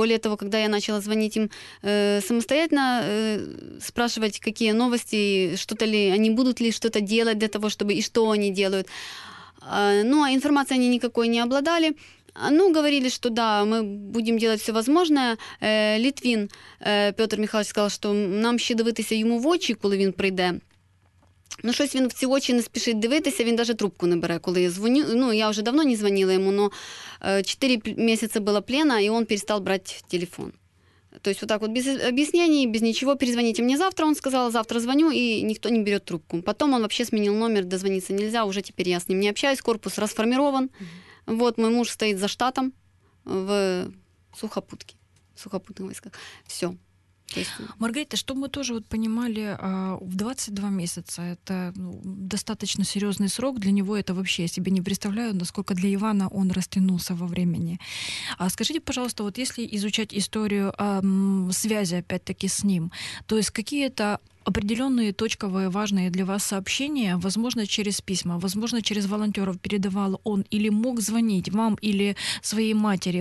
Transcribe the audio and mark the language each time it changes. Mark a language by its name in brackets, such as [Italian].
[Russian] Более того, когда я начала звонить им самостоятельно, спрашивать, какие новости, что-то ли, они будут ли что-то делать для того, чтобы, и что они делают. Ну, а информации они никакой не обладали. Ну, говорили, что да, мы будем делать все возможное. [Ukrainian] Литвин Петр Михайлович сказал, что нам ще дивитися йому в очі, коли він прийде. Ну, щось він в ці очі не спішить дивитися, він навіть трубку не бере, коли я дзвоню. Ну, я вже давно не дзвонила йому, але 4 місяці була плена, і він перестав брати телефон. Тобто, отак от, без об'яснень, без нічого, перезвоніть мені завтра, він сказав, завтра дзвоню, і ніхто не бере трубку. Потім він взагалі змінив номер, дзвонитися не можна, вже тепер я з ним не спілкуюсь, корпус розформірований. Mm-hmm. [Russian] Вот, мой муж [Ukrainian] стоїть за штатом в [Russian] сухопутки, сухопутные войска. Все. Маргарита, чтобы мы тоже вот понимали, в 22 месяца это достаточно серьезный срок. Для него это вообще, я себе не представляю, насколько для Ивана он растянулся во времени. Скажите, пожалуйста, вот если изучать историю связи опять-таки с ним, то есть какие-то определенные точковые важные для вас сообщения, возможно, через письма, возможно, через волонтеров передавал он или мог звонить вам или своей матери.